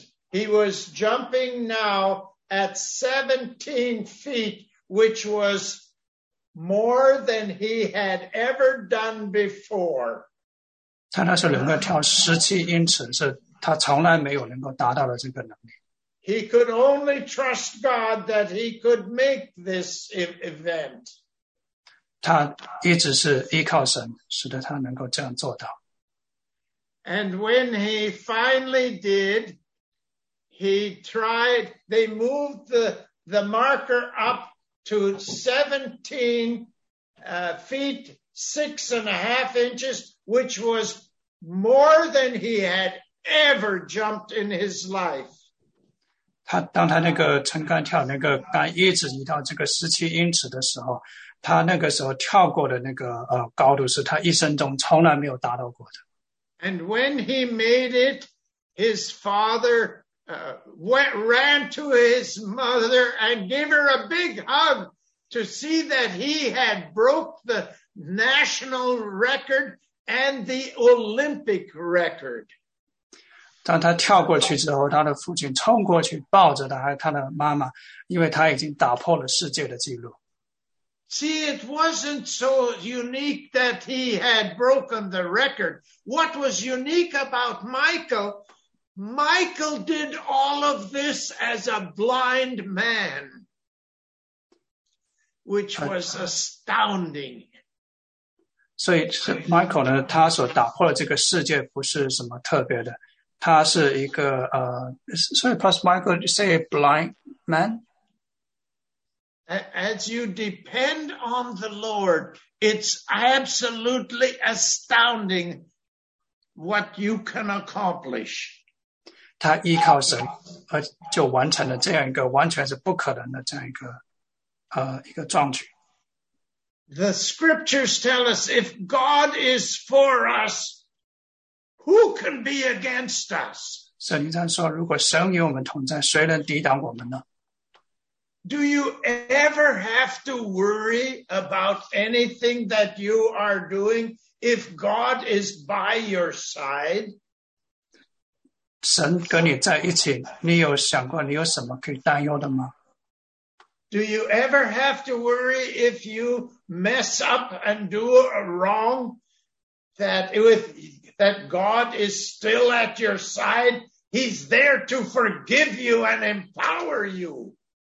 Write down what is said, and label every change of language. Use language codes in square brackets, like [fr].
[en] He was jumping now at 17 feet, which was more than he had ever done before. [zh] 他那时候能够跳17英尺，是他从来没有能够达到的这个能力。 [en] He could only trust God that he could make this event. [zh] 他一直是依靠神，使得他能够这样做到。 [en] And when he finally did, they moved the marker up to 17 feet, 6.5 inches, which was more than he had ever jumped in his life. [zh] 他当他那个撑杆跳那个杆一直移到这个17英尺的时候，他那个时候跳过的那个高度是他一生中从来没有达到过的。 [en] And when he made it, his father ran to his mother and gave her a big hug to see that he had broke the national record and the Olympic record. [zh] 当他跳过去之后，他的父亲冲过去抱着他的妈妈，因为他已经打破了世界的记录。 [en] See, it wasn't so unique that he had broken the record. What was unique about Michael did all of this as a blind man, which was astounding. [zh] 所以 Michael 呢，他所打破的这个世界不是什么特别的，他是一个所以 [en] plus Michael, you say a blind man? As you depend on the Lord, it's absolutely astounding what you can accomplish. [zh] 他依靠神，就完成了这样一个完全是不可能的这样一个一个壮举。 [en] The scriptures tell us, if God is for us, who can be against us? [zh] 圣经上说，如果神与我们同在，谁能抵挡我们呢？ [en] Do you ever have to worry about anything that you are doing if God is by your side? [zh] 神跟你在一起，你有想过你有什么可以担忧的吗？ [en] Do you ever have to worry if you mess up and do a wrong that God is still at your side? He's there to forgive you and empower you.